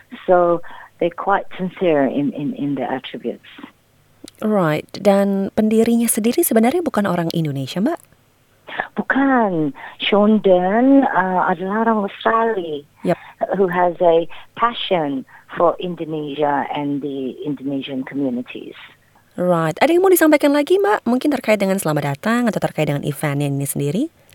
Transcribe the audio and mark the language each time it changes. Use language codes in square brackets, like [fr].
[en] So they're quite sincere in their attributes. Right. [id] Dan pendirinya sendiri sebenarnya bukan orang Indonesia, Mbak? Bukan. Sean Dern adalah orang Australia. [en] Yep. Who has a passion for Indonesia and the Indonesian communities. [id] Right. Ada yang mau disampaikan lagi, Mbak? Mungkin terkait dengan Selamat Datang atau terkait dengan event ini sendiri?